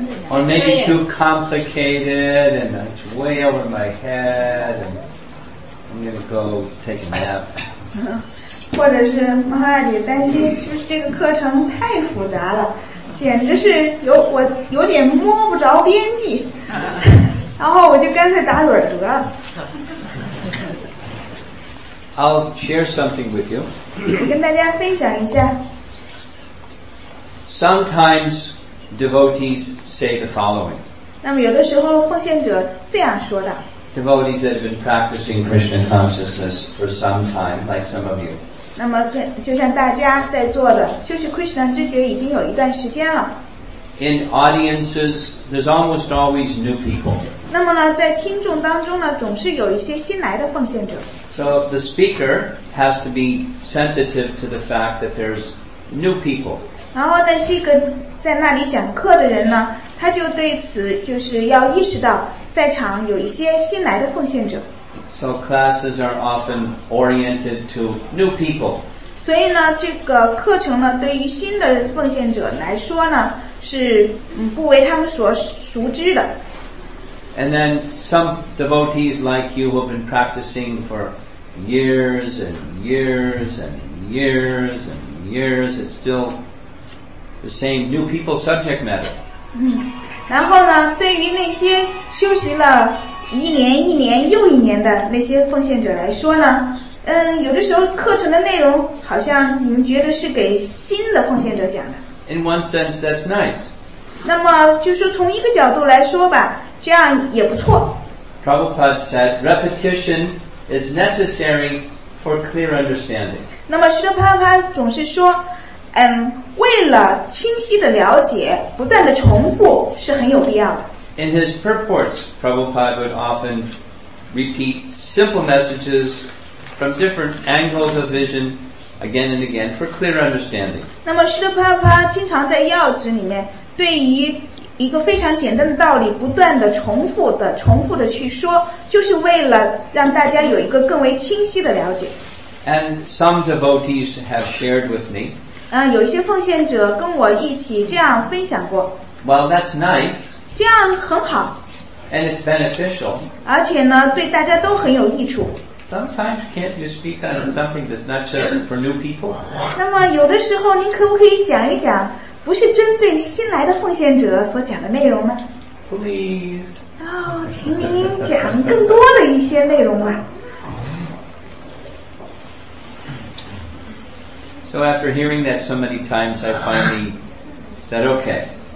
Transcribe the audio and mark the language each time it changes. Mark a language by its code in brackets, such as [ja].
[en] or maybe too complicated and it's way over my head and I'm going to go take a nap. [zh] 或者是妈妈也担心就是这个课程太复杂了，简直是我有点摸不着边际，然后我就干脆打盹得了。 [en] I'll share something with you. [zh] 我跟大家分享一下。 [en] Sometimes devotees say the following. [zh] 那么有的时候奉献者这样说的。 [en] Devotees that have been practicing Krishna consciousness for some time, like some of you. [zh] 那么就像大家在做的，修习 Krishna 知觉已经有一段时间了。 [en] In audiences, there's almost always new people. [zh] 那么呢，在听众当中呢，总是有一些新来的奉献者。 [en] So the speaker has to be sensitive to the fact that there's new people. [zh] 然后呢，这个在那里讲课的人呢，他就对此就是要意识到，在场有一些新来的奉献者。 [en] So classes are often oriented to new people. [zh] 所以呢，这个课程呢，对于新的奉献者来说呢，是不为他们所熟知的。 [en] And then some devotees like you have been practicing for years and years and years and years. It's still the same new people subject matter. [zh] 然后呢，对于那些修习了一年一年又一年的那些奉献者来说呢，有的时候课程的内容好像你们觉得是给新的奉献者讲的。 [en] In one sense, that's nice. [zh] 那么就是从一个角度来说吧，这样也不错。 [en] Prabhupada said, repetition is necessary for clear understanding. [zh] 那么释迦牟尼佛总是说，为了清晰的了解，不断的重复是很有必要的。 [en] In his purports, Prabhupada would often repeat simple messages from different angles of vision again and again for clear understanding. [zh] 那么，释迦牟尼佛经常在要旨里面对于一个非常简单的道理不断的重复的去说，就是为了让大家有一个更为清晰的了解。 [en] And some devotees have shared with me. [zh] 有一些奉献者跟我一起这样分享过。 [en] Well, that's nice. [zh] 这样很好。 [en] And it's beneficial. [zh] 而且呢，对大家都很有益处。 [en] Sometimes can't you speak on something that's not just for new people? [zh] 那么有的时候，您可不可以讲一讲，不是针对新来的奉献者所讲的内容呢？ [en] Please. [zh] 请您讲更多的一些内容吧。 [en] So after hearing that so many times, I finally said, okay.